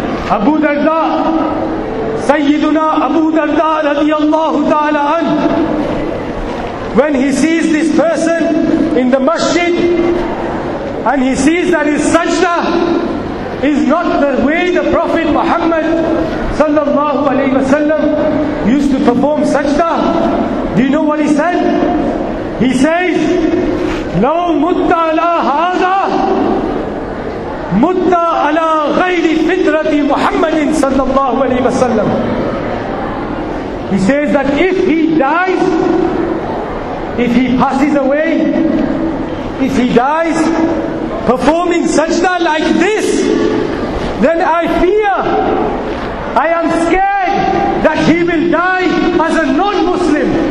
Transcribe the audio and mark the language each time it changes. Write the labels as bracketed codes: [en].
[en] Abu Darda, Sayyiduna Abu Darda radiallahu ta'ala, when he sees this person in the masjid and he sees that his sajda is not the way the Prophet Muhammad sallallahu alayhi wa sallam used to perform sajda, do you know what he said? He says, [ar] لَوْ مُتَّ عَلَى هَذَا مُتَّ عَلَى غَيْرِ فِطْرَةِ مُحَمَّدٍ صَلَّى اللَّهُ عَلَيْهِ وَسَلَّمُ. [en] He says that if he dies, if he passes away, if he dies performing sajda like this, then I fear, I am scared that he will die as a non-Muslim.